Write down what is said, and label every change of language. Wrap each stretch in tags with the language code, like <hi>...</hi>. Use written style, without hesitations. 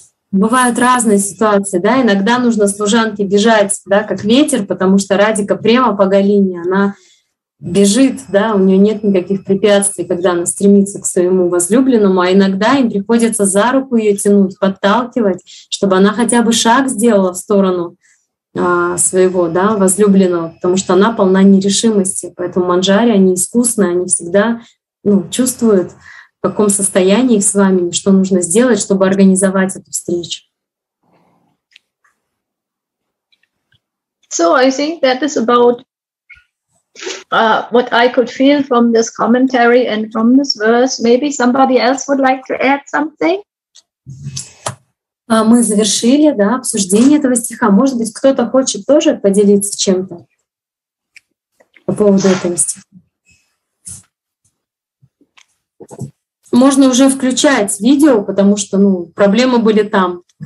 <ru>Бывают разные ситуации, да, иногда нужно служанке бежать, да, как ветер, потому что Радика прямо по Галине, она бежит, да, у нее нет никаких препятствий, когда она стремится к своему возлюбленному, а иногда им приходится за руку ее тянуть, подталкивать, чтобы она хотя бы шаг сделала в сторону своего, да, возлюбленного, потому что она полна нерешимости, поэтому манджари, они искусные, они всегда, ну, чувствуют, в каком состоянии с вами, что нужно сделать, чтобы организовать эту встречу.</ru> <en>So I think that is about what I could feel from this commentary and from this verse. Maybe somebody else would like to add something?</en> <ru>Мы завершили, да, обсуждение этого стиха. Может быть, кто-то хочет тоже поделиться чем-то по поводу этого стиха? Можно уже включать видео, потому что, ну, проблемы были там.</ru>